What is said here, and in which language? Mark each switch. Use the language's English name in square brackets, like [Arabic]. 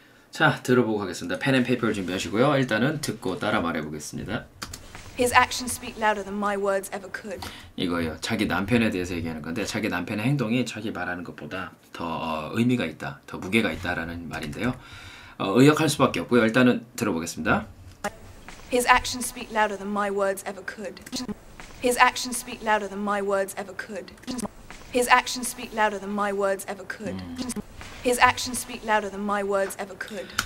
[Korean] 자, 들어보고 가겠습니다. [English] Pen and paper [Korean] 준비하시고요. 일단은 듣고 따라 말해보겠습니다. [English] His actions speak louder than my words ever could. [Korean] 이거요. 자기 남편에 대해서 얘기하는 건데 자기 남편의 행동이 자기 말하는 것보다 더 의미가 있다, 더 무게가 있다라는 말인데요. 의역할 수밖에 없고요. 일단은 들어보겠습니다. [English] His actions speak louder than my words ever could. His actions speak louder than my words ever could. His actions speak louder than my words ever could. His actions speak louder than my words ever could.